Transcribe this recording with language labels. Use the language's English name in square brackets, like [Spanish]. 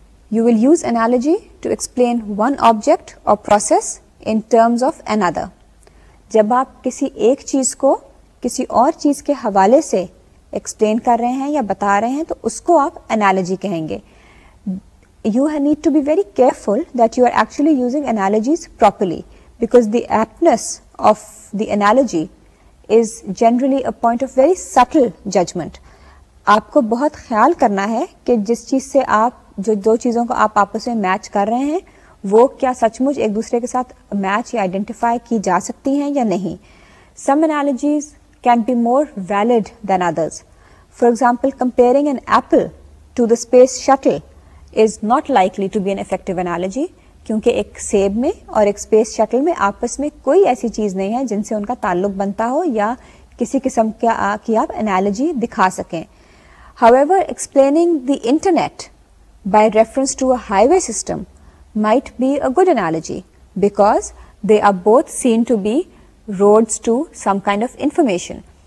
[English] You will use analogy to explain one object or process in terms of another. [Urdu] جب آپ کسی ایک چیز کو کسی اور چیز کے حوالے سے explain کر رہے ہیں یا بتا رہے ہیں تو اس کو آپ analogy کہیں گے. [English] You need to be very careful that you are actually using analogies properly because the aptness of the analogy is generally a point of very subtle judgment. [Urdu] آپ کو بہت خیال کرنا ہے کہ جس چیز سے آپ جو دو چیزوں کو آپ آپس میں میچ کر رہے ہیں وہ کیا سچ مچ ایک دوسرے کے ساتھ میچ یا آئیڈینٹیفائی کی جا سکتی ہیں یا نہیں. [English] Some analogies can be more valid than others. For example comparing an apple to the space shuttle is not likely to be an effective analogy, [Urdu] کیونکہ ایک سیب میں اور ایک اسپیس شٹل میں آپس میں کوئی ایسی چیز نہیں ہے جن سے ان کا تعلق بنتا ہو یا کسی قسم کی آپ انالوجی دکھا سکیں. [English] However, explaining the internet by reference to a highway system might be a good analogy because they are both seen to be roads to some kind of information.